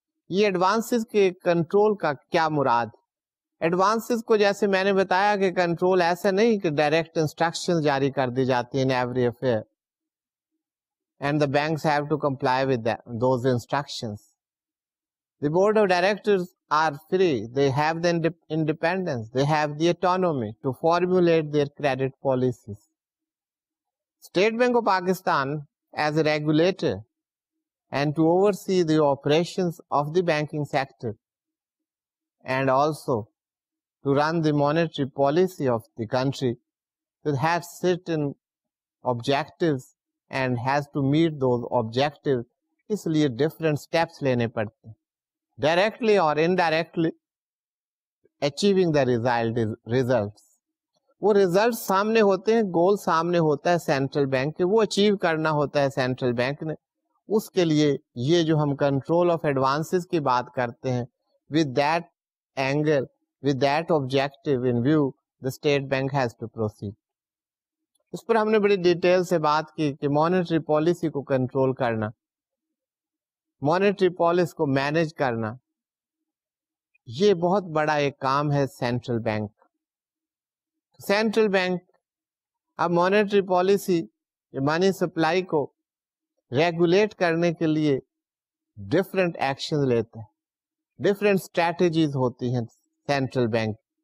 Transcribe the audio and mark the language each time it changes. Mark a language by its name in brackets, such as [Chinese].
[Urdu] یہ ایڈوانسز کے کنٹرول کا کیا مراد؟ ایڈوانسز کو جیسے میں نے بتایا کہ کنٹرول ایسا نہیں کہ ڈائریکٹ انسٹرکشنز جاری کر دی جاتی ہیں [English] In every affair and the banks have to comply with those instructions. The board of directors are free, they have the independence, they have the autonomy to formulate their credit policies. State Bank of Pakistan as a regulator and to oversee the operations of the banking sector and also to run the monetary policy of the country, it has certain objectives and has to meet those objectives. [Urdu] اس لیے [English] different steps [Urdu] لینے پڑتے ہیں. [English] Directly or indirectly achieving the results. [Urdu] وہ results سامنے ہوتے ہیں، goal سامنے ہوتا ہے central bank کے، وہ achieve کرنا ہوتا ہے central bank نے. اس کے لیے یہ جو ہم [English] control of advances [Urdu] کی بات کرتے ہیں، [English] with that angle, with that objective in view, the state bank has to proceed. [Urdu] اس پر ہم نے بڑی ڈیٹیل سے بات کی کہ مانیٹری پالیسی کو کنٹرول کرنا، مانیٹری پالیسی کو مینج کرنا، یہ بہت بڑا ایک کام ہے سینٹرل بینک. سینٹرل بینک اب مانیٹری پالیسی، منی سپلائی کو ریگولیٹ کرنے کے لیے ڈفرینٹ ایکشن لیتے ہیں، ڈفرینٹ اسٹریٹجیز ہوتی ہیں سینٹرل بینک.